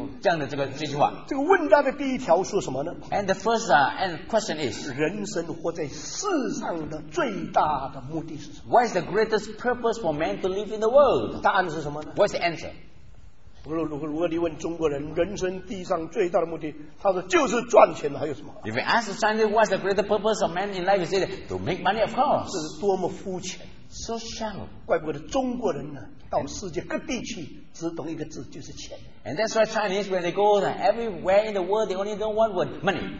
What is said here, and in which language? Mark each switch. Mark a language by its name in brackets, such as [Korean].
[Chinese] 有一句很重要的话。西敏寺告白有这样的这个这句话。这个问答的第一条说什么呢？ [English] And the first and question is: [Chinese] 人生活在世上的最大的目的是什么？ [English] What is the greatest purpose for man to live in the world? [Chinese] 答案是什么呢？ [English] What's the answer? [Chinese] 如果你问中国人人生地上最大的目的，他说就是赚钱，还有什么？ [English] If you ask the Chinese what's the greatest purpose of man in life, you say to make money, of course. [Chinese] 这是多么肤浅。 [English] So shallow. [Chinese] 怪不得中国人呢，到世界各地去，只懂一个字，就是钱。 [English] And that's why Chinese, when they go everywhere in the world, they only know one word, money.